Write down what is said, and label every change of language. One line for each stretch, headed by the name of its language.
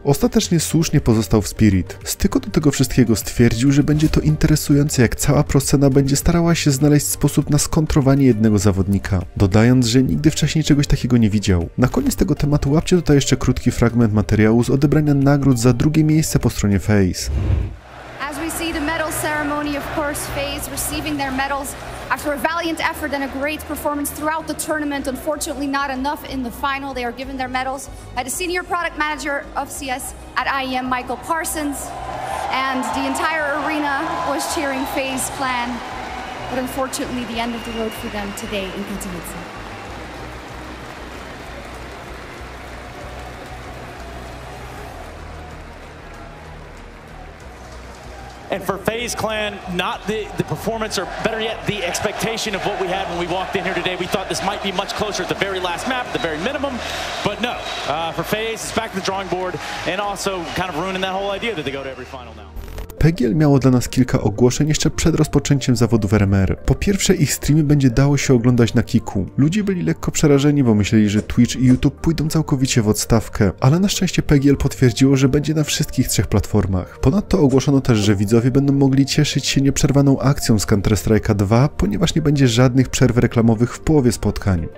Polish: Ostatecznie słusznie pozostał w Spirit. Z tyku do tego wszystkiego stwierdził, że będzie to interesujące, jak cała proscena będzie starała się znaleźć sposób na skontrowanie jednego zawodnika, dodając, że nigdy wcześniej czegoś takiego nie widział. Na koniec tego tematu łapcie tutaj jeszcze krótki fragment materiału z odebrania nagród za drugie miejsce po stronie FaZe.
English: As we see the medal ceremony, of course, FaZe receiving their medals after a valiant effort and a great performance throughout the tournament, unfortunately not enough in the final. They are given their medals by the senior product manager of CS at IEM, Michael Parsons, and the entire arena was cheering FaZe clan. But unfortunately, the end of the road for them today in Katowice. And for FaZe Clan, not the performance, or better yet, the expectation of what we had when we walked in here today. We thought this might be much closer at the very last map, at the very minimum. But no, for FaZe, it's back to the drawing board, and also kind of ruining that whole idea that they go to every final now.
Polish: PGL miało dla nas kilka ogłoszeń jeszcze przed rozpoczęciem zawodów RMR. Po pierwsze, ich streamy będzie dało się oglądać na Kiku. Ludzie byli lekko przerażeni, bo myśleli, że Twitch i YouTube pójdą całkowicie w odstawkę, ale na szczęście PGL potwierdziło, że będzie na wszystkich trzech platformach. Ponadto ogłoszono też, że widzowie będą mogli cieszyć się nieprzerwaną akcją z Counter-Strike'a 2, ponieważ nie będzie żadnych przerw reklamowych w połowie spotkań.